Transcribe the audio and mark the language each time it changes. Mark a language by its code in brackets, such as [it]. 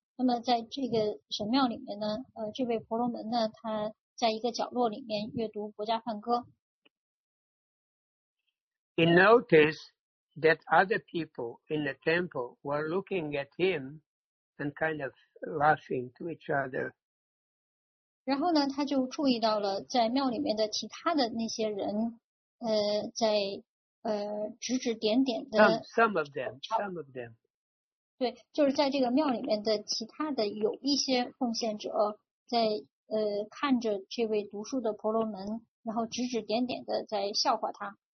[zh] 那么在这个神庙里面呢，这位婆罗门呢，他在一个角落里面阅读《国家梵歌》。 [en] He noticed that other people in the temple were looking at him and kind of laughing to each other. [zh] 然后呢，他就注意到了在庙里面的其他的那些人，在指指点点的。 [en] Some of them. [zh] 对，就是在这个庙里面的其他的有一些奉献者在看着这位读书的婆罗门，然后指指点点的在笑话他。